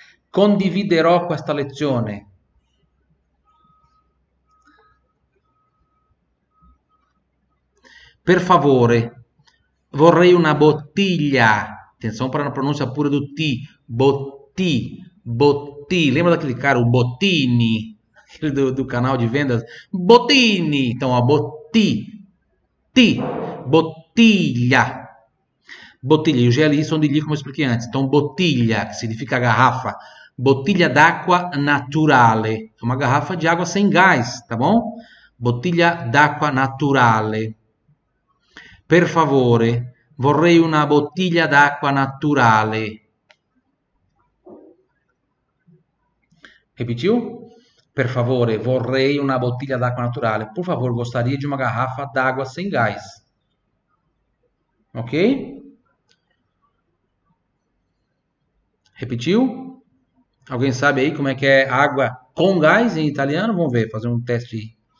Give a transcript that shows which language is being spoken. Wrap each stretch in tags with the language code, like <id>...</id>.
<it>Condividerò questa lezione. Per favore, vorrei una bottiglia. Attenzione per la pronuncia pure do T.</it> <pt>Botti, lembra daquele cara, o Bottini, do canal de vendas? Bottini, então, a Botti, ti, bottiglia, bottiglia, e o GLI são de li, como eu expliquei antes, então, bottiglia, que significa garrafa,</pt> <it>bottiglia d'acqua naturale,</it> <pt>é uma garrafa de água sem gás, tá bom?</pt> <it>Bottiglia d'acqua naturale, per favore, vorrei una bottiglia d'acqua naturale.</it> <pt>Repetiu?</pt> <it>Per favore, vorrei una bottiglia d'acqua naturale.</it> <pt>Por favor, gostaria de uma garrafa d'acqua sem gás. Ok? Repetiu? Alguém sabe aí como é que é água com gás em italiano? Vamos ver, fazer um teste aí.</pt>